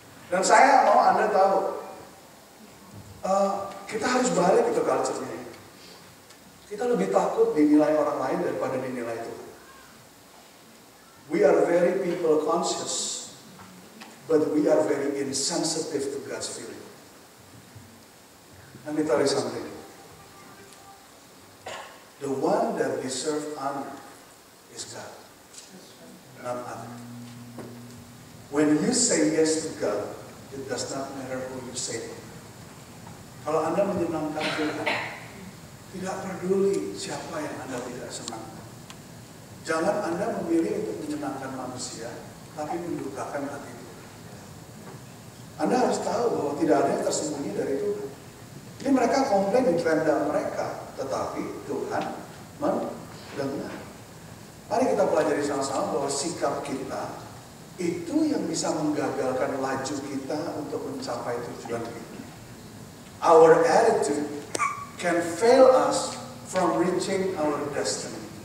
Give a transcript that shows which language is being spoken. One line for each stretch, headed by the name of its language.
Indonesian: Dan saya mau Anda tahu, kita harus balik itu culture-nya. Kita lebih takut dinilai orang lain daripada dinilai Tuhan.
English: We are very people conscious, but we are very insensitive to God's feeling. Let me tell you something. The one that deserves honor is God, not other. When you say yes to God, it does not matter who you say to.
Indonesian: Kalau Anda menyenangkan Tuhan, tidak peduli siapa yang Anda tidak senang. Jangan Anda memilih untuk menyenangkan manusia, tapi mendukakan hati Tuhan. Anda harus tahu bahwa tidak ada yang tersembunyi dari Tuhan. Jadi mereka komplain di tenda mereka, tetapi Tuhan mendengar. Mari kita pelajari sama-sama bahwa sikap kita itu yang bisa menggagalkan laju kita untuk mencapai tujuan kita.
English: Our attitude can fail us from reaching our destiny.